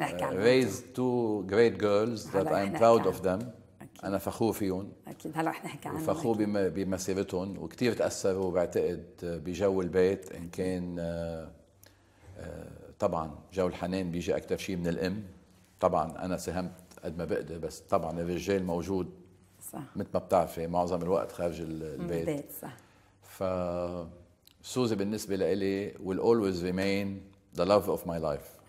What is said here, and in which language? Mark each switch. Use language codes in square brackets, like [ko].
[en] raised two great girls that I'm proud of them. [ar] أنا فخور فيهم أكيد. هلا رح نحكي عنهم. فخور بمسيرتهم، وكتير تأثروا بعتقد بجو البيت، إن كان طبعا جو الحنان بيجي أكتر شيء من الأم. طبعا أنا ساهمت قد ما بقدر، بس طبعا الرجال موجود صح مثل ما بتعرفي معظم الوقت خارج البيت. [en] فسوزي بالنسبة لإلي will always remain the love of my life.